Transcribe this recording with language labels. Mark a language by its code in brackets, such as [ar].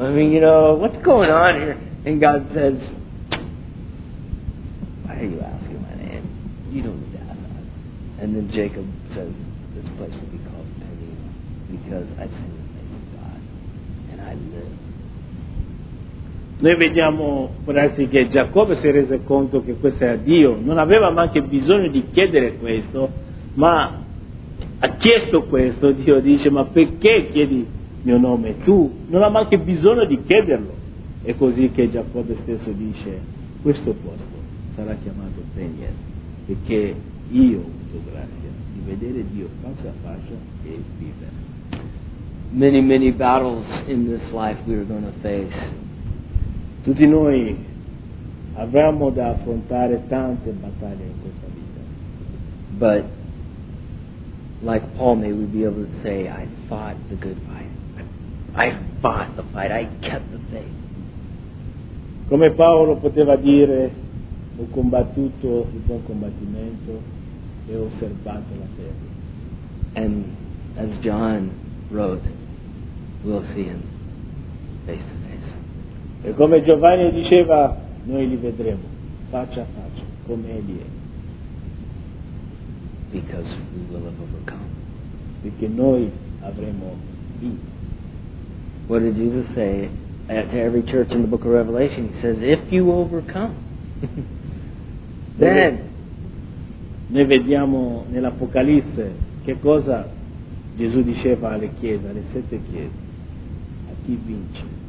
[en] I mean, you know, what's going on here? And God says, why are you asking my name? You don't need to ask that. And then Jacob says, this place will be called Peniel, because I sent the face of God, and I live. [it] Noi vediamo, forse, che Giacobbe si è reso conto che questo era Dio. Non aveva neanche bisogno di chiedere questo, ma ha chiesto questo. Dio dice, ma perché chiedi mio nome? Tu non hai neanche bisogno di chiederlo. È così che Giacobbe stesso dice, questo posto sarà chiamato Peniel, perché io ho avuto grazia di vedere Dio faccia a faccia e vivere. [en] Many, many battles in this life we are going to face. [it] Tutti noi avremo da affrontare tante battaglie in questa vita. [en] But, like Paul, may we be able to say, I fought the good fight. I fought the fight. I kept the faith. [it] Come Paolo poteva dire, ho combattuto il buon combattimento e ho osservato la fede. [en] And as John wrote, we'll see him face to face. [it] E come Giovanni diceva, noi li vedremo faccia a faccia, come egli è. [en] Because we will have overcome. [it] Perché noi avremo vinto. [en] What did Jesus say to every church in the book of Revelation? He says, if you overcome, then. [it] Noi vediamo nell'Apocalisse che cosa Gesù diceva alle chiese, alle sette chiese, a chi vince?